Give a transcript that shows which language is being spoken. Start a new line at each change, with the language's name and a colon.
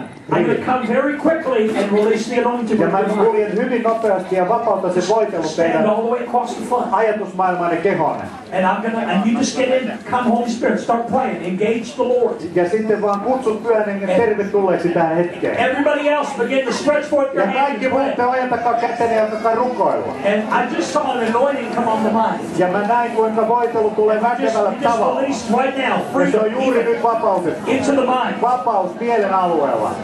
English: I could come very quickly and release the anointing.
Finnish: Ja mä kuljen hyvin nopeasti ja vapautan sen voitelun teidän ajatusmaailmanne kehonne.
English: And you just get in, come Holy Spirit, start praying, engage the Lord.
Finnish: Ja sitten vaan kutsu Pyhän Hengen tervetulleeksi tähän hetkeen.
English: Everybody else begin to stretch forth your
Finnish: hands. Ja kaikki muutte ojentakaa kättäni ja antakaa rukoilua.
English: And I just saw an anointing come on the mind.
Finnish: Ja mä näin, kuinka voitelu tulee väkevällä tavalla.
English: Just released right now, freedom.
Finnish: Ja se on juuri nyt vapautettu.
English: Into the mind.
Finnish: Vapaus mielen alueella.